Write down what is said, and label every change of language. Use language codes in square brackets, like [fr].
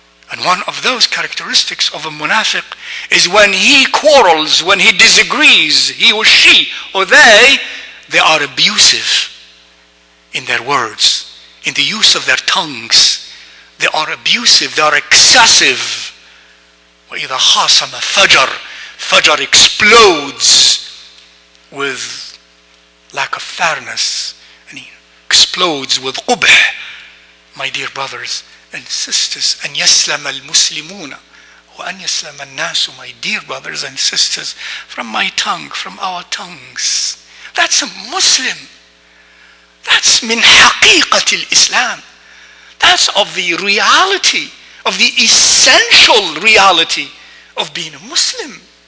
[en] And one of those characteristics of a munafiq is when he quarrels, when he disagrees, he or she or they are abusive in their words, in the use of their tongues. They are abusive, they are excessive. [ar] وَإِذَا خَاسَمَ فَجَرْ. [en] Fajr explodes with lack of fairness, and he explodes with qubh. My dear brothers and sisters, [ar] أَنْ يَسْلَمَ الْمُسْلِمُونَ وَأَنْ يَسْلَمَ النَّاسُ. [en] My dear brothers and sisters, from my tongue, from our tongues. That's a Muslim. That's min haqiqat al-Islam. That's of the reality, of the essential reality of being a Muslim.